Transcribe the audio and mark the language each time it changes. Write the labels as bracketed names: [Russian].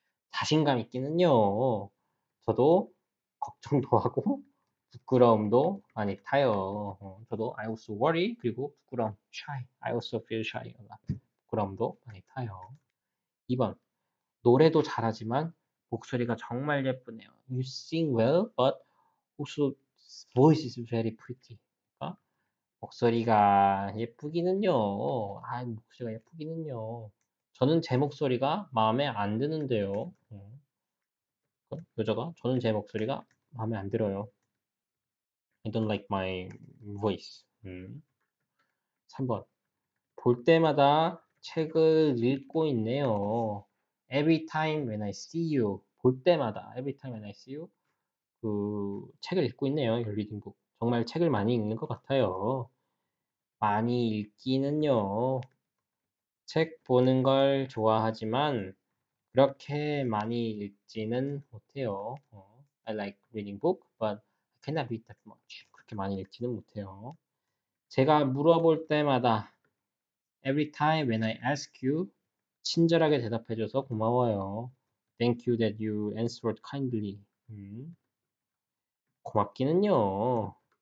[Korean] 자신감 있기는요, 저도 걱정도 하고, 부끄러움도 많이 타요. 저도 [English] I also worry, [Korean] 그리고 부끄러움, [English] shy. I also feel shy a lot. [Korean] 부끄러움도 많이 타요. 2번. 노래도 잘하지만 목소리가 정말 예쁘네요. [English] You sing well, but also voice is very pretty. [Korean] 목소리가 예쁘기는요. 아, 목소리가 예쁘기는요. 저는 제 목소리가 마음에 안 드는데요. 여자가 저는 제 목소리가 마음에 안 들어요. [English] I don't like my voice. [Korean] 3번. 볼 때마다 책을 읽고 있네요. [English] Every time when I see you. [Korean] 볼 때마다. [English] Every time when I see you. [Korean] 책을 읽고 있네요. [English] You're reading book. [Korean] 정말 책을 많이 읽는 것 같아요. 많이 읽기는요. 책 보는 걸 좋아하지만 그렇게 많이 읽지는 못해요. [English] I like reading book, but I cannot read that much. [Korean] 그렇게 많이 읽지는 못해요. 제가 물어볼 때마다 [English] every time when I ask you, [Korean] 친절하게 대답해줘서 고마워요. [English] Thank you that you answered kindly. [Korean] 고맙기는요.